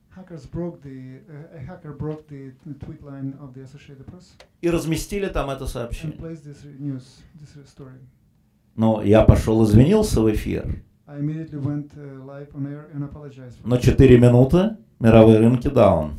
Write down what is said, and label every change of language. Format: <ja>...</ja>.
<en>Hacker broke the tweet line of the Associated Press.</en> <ru>И разместили там это сообщение.</ru> <en>And placed this news, this story.</en> <ru>Но я пошел извинился в эфир.</ru> <en>I immediately went live on air and apologized.</en> <ru>Но 4 минуты мировые рынки</ru> <en>down.</en>